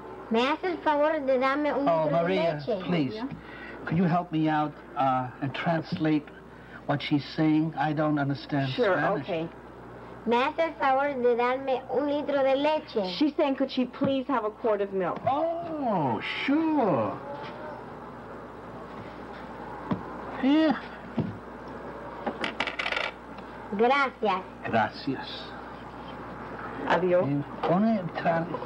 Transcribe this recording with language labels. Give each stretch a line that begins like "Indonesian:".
Spanish: Me hace el favor de darme un litro Maria, de leche.
English: Oh, Maria, please. Can you help me out and translate what she's saying? I don't understand Spanish. Sure, okay.
Spanish: Me hace el favor de darme un litro de leche.
English: She's saying, could she please have a quart of milk? Oh, sure. Here.
Spanish: Gracias. Gracias. Adiós. Pone entrar.